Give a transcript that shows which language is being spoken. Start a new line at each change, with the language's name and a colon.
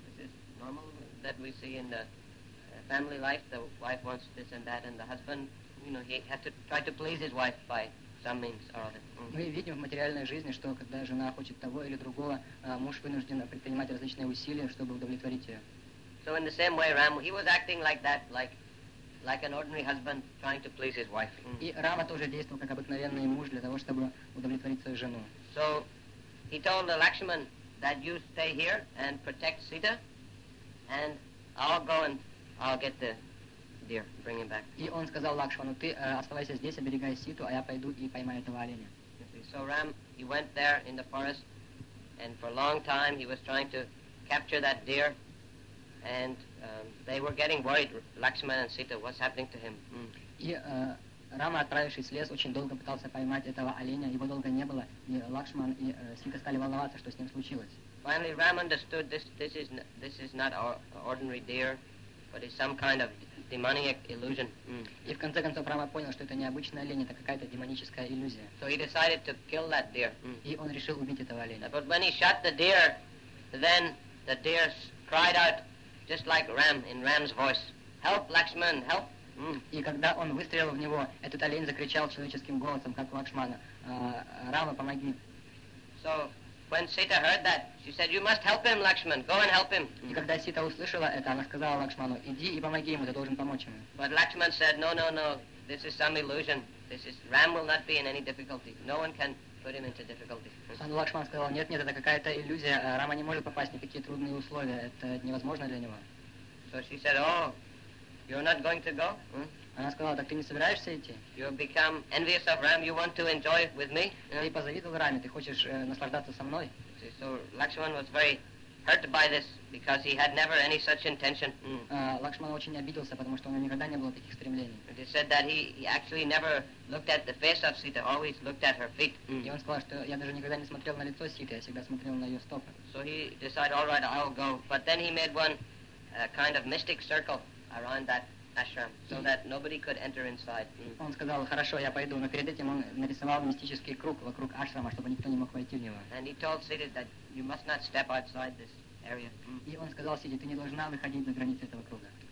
English: It's normal that we see in the family life the wife wants this and that, and the husband, you know, he had to try to please his wife by some means or other.
Russian: Мы видим в материальной жизни, что когда жена хочет того или другого, муж вынужден предпринимать различные усилия, чтобы удовлетворить ее.
English: So in the same way, Ram, he was acting like that, like an ordinary husband trying to please his wife.
Russian: И Рама тоже действовал как обыкновенный муж для того, чтобы удовлетворить свою жену.
English: So he told the Lakshman that you stay here and protect Sita, and I'll go and I'll get the deer, bring him back.
Russian: И он сказал Лакшману, ты оставайся здесь, оберегай Ситу, а я пойду и поймаю этого оленя.
English: So Ram, he went there in the forest, and for a long time he was trying to capture that deer, and they were getting worried, Lakshman and Sita, what's happening to him.
Russian: И Рама, отправившись в лес, очень долго пытался поймать этого оленя, его долго не было, и Лакшман и Сита стали волноваться, что с ним случилось.
English: Finally, Ram understood this is not ordinary deer, but it's some kind of demonic illusion.
Russian: И в конце концов Рама понял, что это не обычное оленя, это какая-то демоническая иллюзия.
English: So he decided to kill that deer.
Russian: И он решил убить этого оленя.
English: But when he shot the deer, then the deer cried out, just like Ram, in Ram's voice. Help, Lakshman, help.
Russian: И когда он выстрелил в него, этот олень закричал человеческим голосом, как Лакшмана. Рама, помоги.
English: So, when Sita heard that, she said, you must help him, Lakshman, go and help him.
Russian: И когда Сита услышала это, она сказала Лакшману, иди и помоги ему, ты должен помочь ему.
English: But Lakshman said, no, no, no, this is some illusion. This is, Ram will not be in any difficulty. No one can put him into difficulty.
Russian: Он Лакшман сказал, нет, нет, это какая-то иллюзия, Рама не может попасть в никакие трудные условия, это невозможно для него.
English: So she said, oh, you're not going to go?
Russian: Она сказала, так ты не собираешься идти?
English: You become envious of Ram, you want to enjoy with me?
Russian: Ты позавидовал Раме, ты хочешь наслаждаться со мной?
English: So Lakshman was very hurt by this because he had never any such intention.
Russian: Лакшмана очень обиделся, потому что у него никогда не было таких стремлений.
English: He said that he actually never looked at the face of Sita, always looked at her feet.
Russian: И он сказал, что я даже никогда не смотрел на лицо Ситы, я всегда смотрел на ее стопы.
English: So he decided, all right, I'll go. But then he made one kind of mystic circle around that ashram so that nobody could enter inside.
Russian: Он сказал, хорошо, я пойду, но перед этим он нарисовал мистический круг вокруг ашрама, чтобы никто не мог войти в него.
English: And he told Sita that you must not step outside this area.
Russian: И он сказал Сите, ты не должна выходить за границы этого круга.